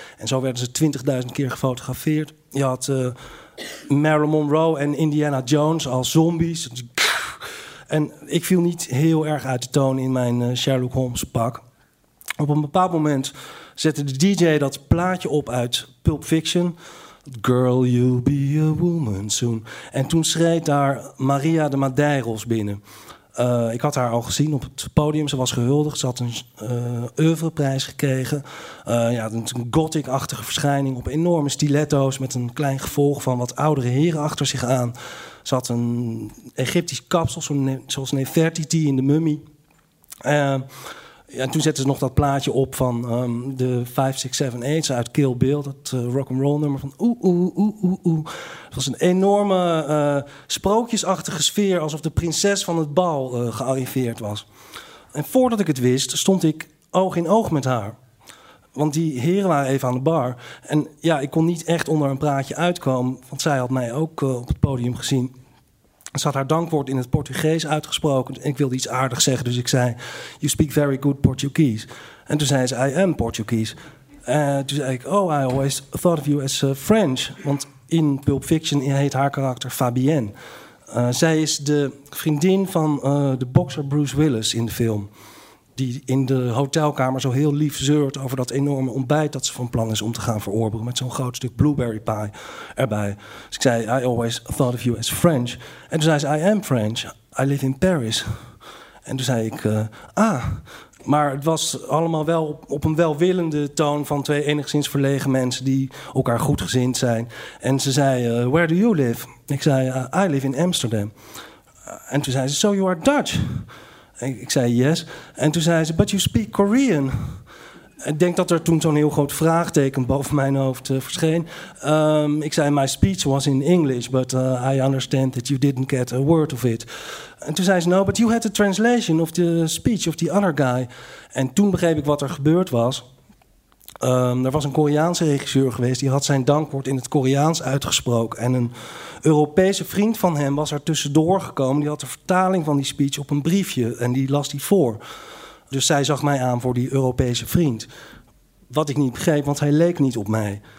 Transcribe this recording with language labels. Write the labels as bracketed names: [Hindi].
[Dutch] En zo werden ze 20.000 keer gefotografeerd. Je had Marilyn Monroe en Indiana Jones als zombies. En ik viel niet heel erg uit de toon in mijn Sherlock Holmes pak. Op een bepaald moment zette de DJ dat plaatje op uit Pulp Fiction. Girl, you'll be a woman soon. En toen schreed daar Maria de Madeiros binnen. Ik had haar al gezien op het podium. Ze was gehuldigd. Ze had een oeuvreprijs gekregen. Een gothic-achtige verschijning op enorme stiletto's met een klein gevolg van wat oudere heren achter zich aan. Ze had een Egyptisch kapsel, zoals Nefertiti in de Mummy. En toen zette ze nog dat plaatje op van de 5678 uit Kill Bill. Dat rock'n'roll nummer van oeh, oeh, oeh, oeh, oeh. Het was een enorme sprookjesachtige sfeer, alsof de prinses van het bal gearriveerd was. En voordat ik het wist, stond ik oog in oog met haar. Want die heren waren even aan de bar. En ja, ik kon niet echt onder een praatje uitkomen, want zij had mij ook op het podium gezien. Ze had haar dankwoord in het Portugees uitgesproken. Ik wilde iets aardigs zeggen, dus ik zei: [English] You speak very good Portuguese. [Dutch] En toen zei ze: [English] I am Portuguese. [Dutch] En toen zei ik: [English] Oh, I always thought of you as French. [Dutch] Want in Pulp Fiction heet haar karakter Fabienne. Zij is de vriendin van de bokser Bruce Willis in de film. Die in de hotelkamer zo heel lief zeurt over dat enorme ontbijt dat ze van plan is om te gaan verorberen. Met zo'n groot stuk blueberry pie erbij. Dus ik zei, [English] I always thought of you as French. [Dutch] En toen zei ze, [English] I am French. I live in Paris. [Dutch] En toen zei ik, Maar het was allemaal wel op een welwillende toon van twee enigszins verlegen mensen die elkaar goedgezind zijn. En ze zei, [English] where do you live? [Dutch] Ik zei, [English] I live in Amsterdam. [Dutch] En toen zei ze, [English] so you are Dutch? [Dutch] Ik zei [English] yes. [Dutch] En toen zei ze, [English] but you speak Korean. [Dutch] Ik denk dat er toen zo'n heel groot vraagteken boven mijn hoofd verscheen. Ik zei, [English] my speech was in English, but I understand that you didn't get a word of it. [Dutch] En toen zei ze, [English] no, but you had a translation of the speech of the other guy. [Dutch] En toen begreep ik wat er gebeurd was. Er was een Koreaanse regisseur geweest, die had zijn dankwoord in het Koreaans uitgesproken. En een Europese vriend van hem was er tussendoor gekomen. Die had de vertaling van die speech op een briefje en die las die voor. Dus zij zag mij aan voor die Europese vriend. Wat ik niet begreep, want hij leek niet op mij.